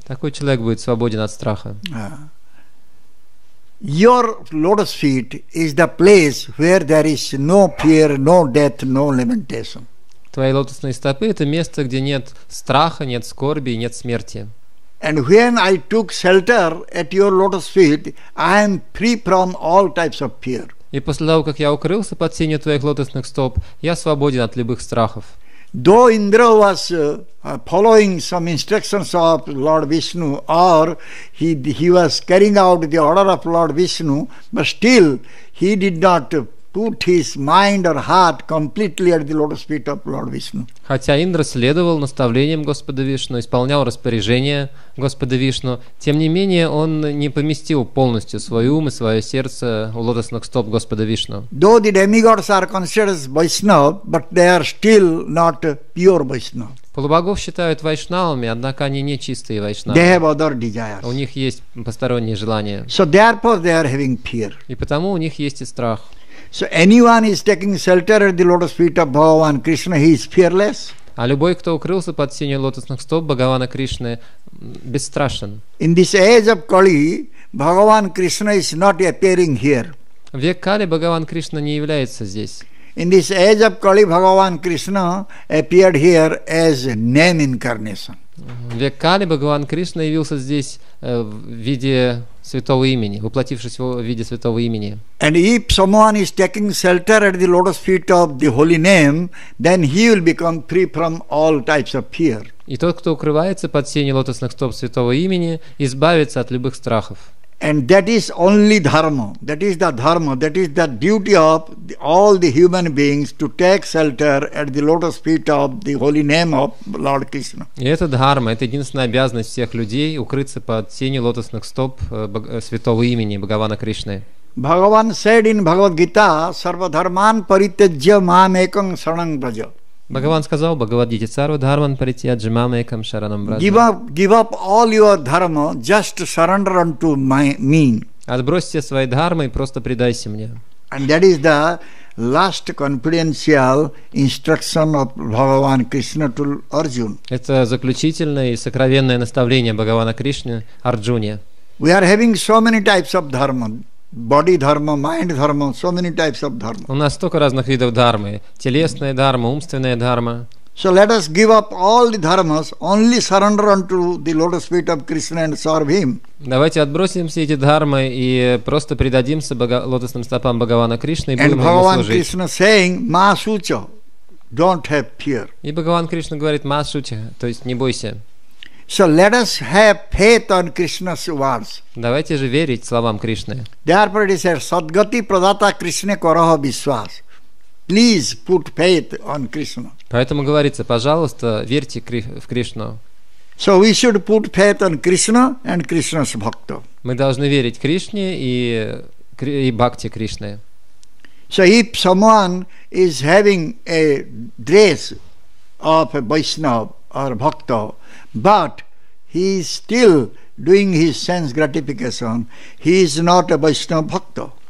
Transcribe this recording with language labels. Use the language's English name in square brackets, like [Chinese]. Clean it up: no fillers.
[Russian] Такой человек будет свободен от страха. [English] Your lotus feet is the place where there is no fear, no death, no lamentation. [Russian] Твои лотосные стопы – это место, где нет страха, нет скорби, нет смерти. [English] And when I took shelter at your lotus feet, I am free from all types of fear. [Russian] И после того, как я укрылся под сенью твоих лотосных стоп, я свободен от любых страхов. [English] Though Indra was following some instructions of Lord Vishnu, or he was carrying out the order of Lord Vishnu, but still he did not put his mind or heart completely at the lotus feet of Lord Vishnu. [Russian] Хотя Индра следовал наставлениям Господа Вишну, исполнял распоряжения Господа Вишну, тем не менее он не поместил полностью свой ум и свое сердце у лотосных стоп Господа Вишну. [English] Though the demigods are considered Vaishnava, but they are still not pure Vaishnava. [Russian] Полубогов считают вайшнавами, однако они не чистые вайшнавы. [English] They have other desires. [Russian] У них есть посторонние желания. [English] So therefore they are having fear. [Russian] И потому у них есть и страх. [English] So anyone is taking shelter at the lotus feet of Bhagavan Krishna, he is fearless. [Russian] А любой, кто укрылся под сенью лотосных стоп Бхагавана Кришны, бесстрашен. [English] In this age of Kali, Bhagavan Krishna is not appearing here. [Russian] В век Кали Бхагаван Кришна не является здесь. [English] In this age of Kali, Bhagavan Krishna appeared here as name incarnation. [Russian] В век Кали Бхагаван Кришна явился здесь в виде святого имени, воплотившись в виде святого имени. [English] And if someone is taking shelter at the lotus feet of the holy name, then he will become free from all types of fear. [Russian] И тот, кто укрывается под сенью лотосных стоп святого имени, избавится от любых страхов. [English] And that is only dharma. That is the dharma. That is the duty of all the human beings to take shelter at the lotus feet of the holy name of Lord Krishna. [Russian] И это дхарма, это единственная обязанность всех людей укрыться под сенью лотосных стоп святого имени Бхагавана Кришны. [English] Bhagavan said in Bhagavad Gita, [Sanskrit] "Sarva dharman parityajya mam ekam saranam braja." [Russian] Бхагаван сказал, Бхагавадгите, [Sanskrit] Сарва Дхарман Паритьяджа Мам Экам Шаранам Бража. [English] Give up all your dharma, just surrender unto me. [Russian] Отбрось все свои дхармы и просто предайся мне. [English] And that is the last confidential instruction of Bhagavan Krishna to Arjuna. [Russian] Это заключительное и сокровенное наставление Бхагавана Кришны Арджуне. [English] We are having so many types of dharma. Body dharma, mind dharma, so many types of dharma. [Russian] У нас столько разных видов дхармы. Телесная дхарма, умственная дхарма. [English] So let us give up all the dharmas, only surrender unto the lotus feet of Krishna and serve him. [Russian] Давайте отбросим все эти дхармы и просто предадимся лотосным стопам Бхагавана Кришны и будем ему служить. [English] And Bhagavan Krishna saying, [Sanskrit] Ma Shucha, [English] don't have fear. [Russian] И Бхагаван Кришна говорит, [Sanskrit] Ma Shucha, [Russian] то есть не бойся. [English] So let us have faith on Krishna's words. [Russian] Давайте же верить словам Кришны. [English] Therefore it is said, [Bangla] Sadgati pradata Krishna karaha vishwas. [English] Please put faith on Krishna. [Russian] Поэтому говорится, пожалуйста, верьте в Кришну. [English] So we should put faith on Krishna and Krishna's bhakta. [Russian] Мы должны верить Кришне и бхакте Кришны. [English] So if someone is having a dress of a Vaishnava or a bhakta, but he is still doing his sense gratification, he is not a Vaishnava bhakta.